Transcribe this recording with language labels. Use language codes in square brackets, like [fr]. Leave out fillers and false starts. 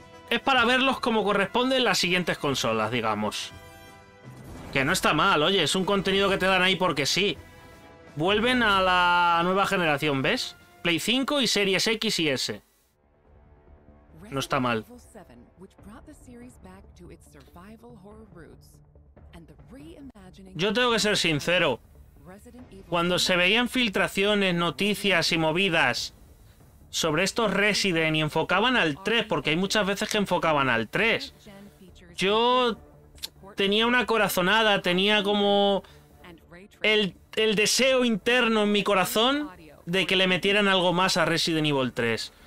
[es] Es para verlos como corresponden las siguientes consolas, digamos. Que no está mal, oye, es un contenido que te dan ahí porque sí. Vuelven a la nueva generación, ¿ves? Play 5 y Series X y S. No está mal. [en] which brought the series back to its survival horror roots and the reimagining. [es] Yo tengo que ser sincero. Cuando se veían filtraciones, noticias y movidas sobre estos Resident y enfocaban al 3, porque hay muchas veces que enfocaban al 3, yo tenía una corazonada, tenía como el deseo interno en mi corazón de que le metieran algo más a Resident Evil 3.